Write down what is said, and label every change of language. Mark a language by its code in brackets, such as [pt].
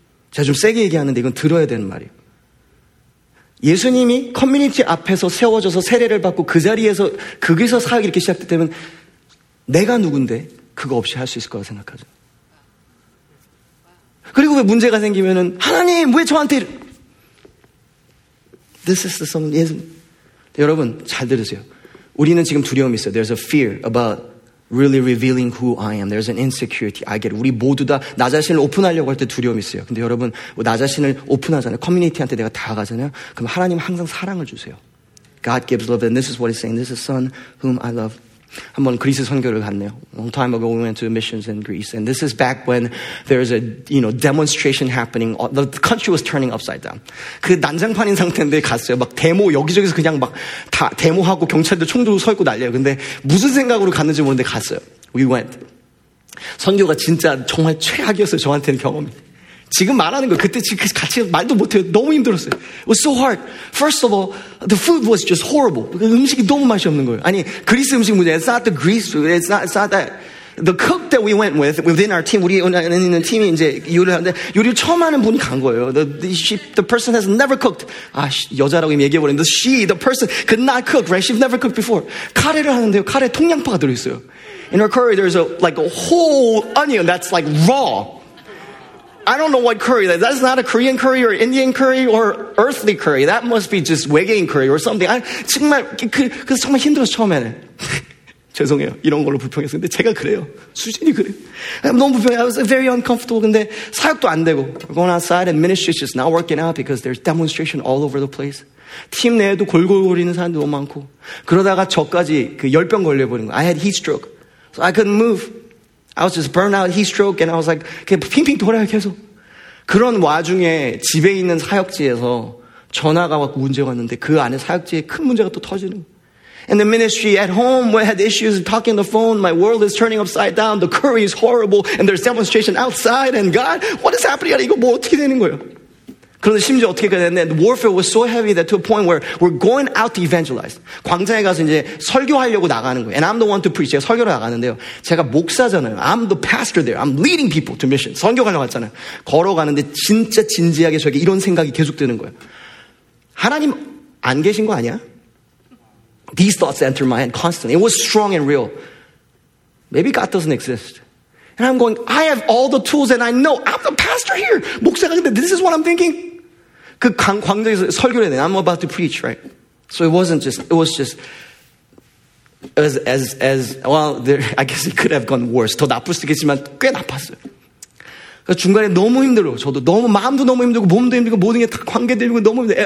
[ko] 제가 좀 세게 얘기하는데 이건 들어야 되는 말이에요. 예수님이 커뮤니티 앞에서 세워져서 세례를 받고 그 자리에서 거기서 사역이 이렇게 시작됐다면 내가 누군데 그거 없이 할 수 있을 거라 생각하죠. 그리고 왜 문제가 생기면은 하나님 왜 저한테 [en] This is the song. [ko] 예수님. 여러분 잘 들으세요. 우리는 지금 두려움이 있어요. [en] There's a fear about really revealing who I am. There's an insecurity. I get it. [ko] 우리 모두 다 나 자신을 오픈하려고 할 때 두려움이 있어요. 근데 여러분, 나 자신을 오픈하잖아요. 커뮤니티한테 내가 다가가잖아요. 그럼 하나님 항상 사랑을 주세요. [en] God gives love and this is what he's saying. This is son whom I love. [ko] 한번 그리스 선교를 갔네요. [en] Long time ago we went to missions in Greece. And this is back when there's a, you know, demonstration happening. The country was turning upside down. [ko] 그 난장판인 상태인데 갔어요. 막 데모 여기저기서 그냥 막 다 데모하고 경찰들 총 들고 서 있고 난리예요. 근데 무슨 생각으로 갔는지 모르는데 갔어요. [en] We went. [ko] 선교가 진짜 정말 최악이었어요. 저한테는 경험이. 지금 말하는 거 그때 지금 같이 말도 못해요. 너무 힘들었어요. [en] It was so hard. First of all, the food was just horrible. [ko] 음식이 너무 맛이 없는 거예요. 아니, 그리스 음식 문제. [en] It's not the Greece food. It's not that. The cook that we went with within our team, [ko] 우리 있는 팀이 이제 요리를 하는데 요리를 처음 하는 분이 간 거예요. [en] The person has never cooked. [ko] 아, 여자라고 얘기해버린. [en] The person could not cook, right? She's never cooked before. [ko] 카레를 하는데요. 카레에 통양파가 들어있어요. [en] In her curry, there's like a whole onion that's like raw. I don't know what curry that is. That's not a Korean curry or Indian curry or earthly curry. That must be just 외계인 curry or something. [ko] 아니, 정말, 그래서 정말 힘들었어, 처음에는. 죄송해요. 이런 걸로 불평해서. 근데 제가 그래요. 수진이 그래요. 너무 불평해. [en] I was very uncomfortable. [ko] 근데 사역도 안 되고. [en] We're going outside and ministry is just not working out because there's demonstration all over the place. [ko] 팀 내에도 골골거리는 사람도 너무 많고. 그러다가 저까지 그 열병 걸려버린 거. [en] I had heat stroke. So I couldn't move. I was just burned out, heat stroke, and I was like, [ko] 핑핑 돌아요, 계속. 그런 와중에 집에 있는 사역지에서 전화가 왔고 문제가 왔는데 그 안에 사역지에 큰 문제가 또 터지는. [en] And the ministry at home, we had issues talking on the phone. My world is turning upside down. The curry is horrible. And there's demonstration outside. And God, what is happening? [ko] 이거 뭐 어떻게 되는 거예요? 그런데 심지어 어떻게 가야 되는데, [en] the warfare was so heavy that to a point where we're going out to evangelize. [ko] 광장에 가서 이제 설교하려고 나가는 거예요. [en] And I'm the one to preach. [ko] 제가 설교를 나가는데요. 제가 목사잖아요. [en] I'm the pastor there. I'm leading people to mission. [ko] 선교 가려고 왔잖아요. 걸어가는데 진짜 진지하게 저에게 이런 생각이 계속 드는 거예요. 하나님 안 계신 거 아니야? [en] These thoughts enter my head constantly. It was strong and real. Maybe God doesn't exist. And I'm going, I have all the tools and I know. I'm the pastor here. [ko] 목사가 근데 [en] this is what I'm thinking. [ko] 그 광장에서 설교를 해야 돼. [en] I'm about to preach, right? So it wasn't just, it was just, I guess it could have gone worse. [ko] 더 나쁠 수 있겠지만 꽤 나빴어요. 그래서 중간에 너무 힘들어. 저도 너무, 마음도 너무 힘들고 몸도 힘들고 모든 게 다 관계되고 너무 힘들어.